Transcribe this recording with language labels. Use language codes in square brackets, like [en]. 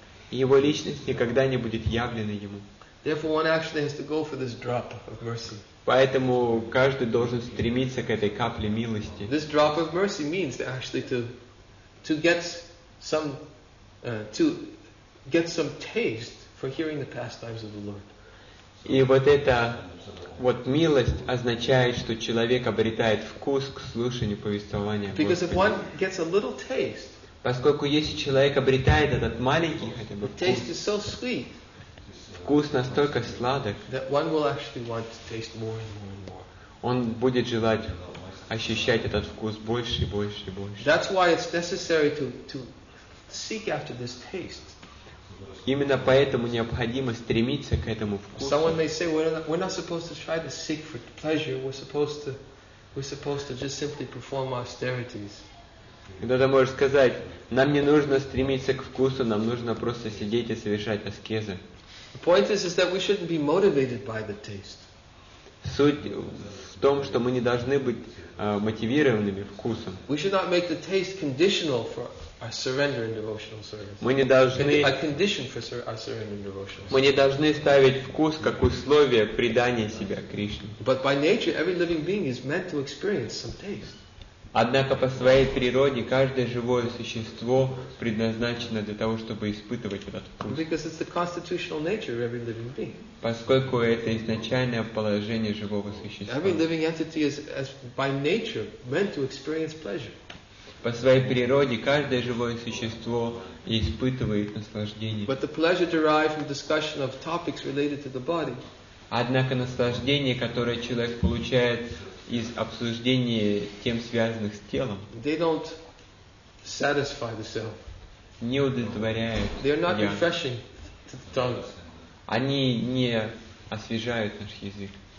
[ru] Его личность никогда не будет явлена ему. [en] Therefore, one actually has to go for this drop of mercy. [ru] Поэтому каждый должен стремиться к этой капле милости. [en] This drop of mercy means to actually to get some taste for hearing the pastimes of the Lord. [ru] И вот эта вот милость означает, что человек обретает вкус к слушанию повествования. [en] Because if one gets a little taste. [ru] Поскольку если человек обретает этот маленький хотя бы вкус. [en] Taste is so sweet. [ru] Вкус настолько сладок, [en] that one will actually want to taste more and more and more. [ru] Он будет желать ощущать этот вкус больше и больше и больше. [en] That's why it's necessary to seek after this taste. [ru] Именно поэтому необходимо стремиться к этому вкусу. [en] Someone may say, we're not supposed to try to seek for pleasure. We're supposed to just simply perform austerities. [ru] Кто-то может сказать, нам не нужно стремиться к вкусу, нам нужно просто сидеть и совершать аскезы. [en] The point is that we shouldn't be motivated by the taste. [ru] Суть в том, что мы не должны быть мотивированными вкусом. [en] We should not make the taste conditional for our surrender in devotional service. [ru] Мы не должны [en] a condition for our surrender in devotional service. [ru] Мы не должны ставить вкус как условие предания себя Кришне. [en] But by nature, every living being is meant to experience some taste. [ru] Однако по своей природе каждое живое существо предназначено для того, чтобы испытывать этот вкус. [en] Because it's the constitutional nature of every living being. [ru] Поскольку это изначальное положение живого существа. [en] Every living entity is by nature meant to experience pleasure. [ru] По своей природе каждое живое существо испытывает наслаждение. [en] But the pleasure derived from discussion of topics related to the body. [ru] Однако наслаждение, которое человек получает из обсуждения тем, связанных с телом, [en] they don't satisfy the self. [ru] Не удовлетворяют. [en] They are not refreshing to the tongue. [ru] Они не освежают наш язык.